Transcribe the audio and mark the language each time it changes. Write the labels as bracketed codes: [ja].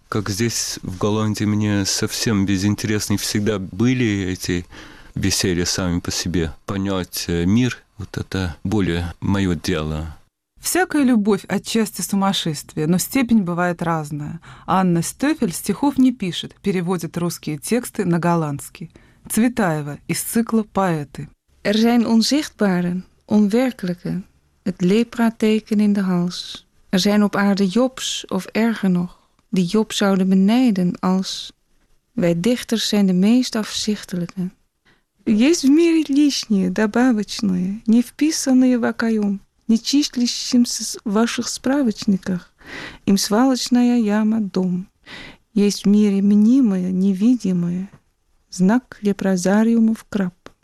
[ru] Как здесь, в Голландии, мне совсем безинтересны всегда были эти беседы сами по себе. Понять мир – вот это более мое дело. Всякая любовь отчасти сумасшествие, но степень бывает разная. Анна Стёфель стихов не пишет, переводит русские тексты на голландский. Цветаева из цикла «Поэты». [nl] Er zijn onzichtbare, onwerkelijke, het lepra-teken in de hals. Er zijn op aarde jobs, of erger nog, die job zouden benijden als... Wij dichters zijn de meest afzichtelijke. [ru] Есть в мире лишние, добавочные, не вписанные в окоем, не числящимся в ваших справочниках, им свалочная яма дом. Есть в мире мнимое, невидимое, знак лепрозариумов краб.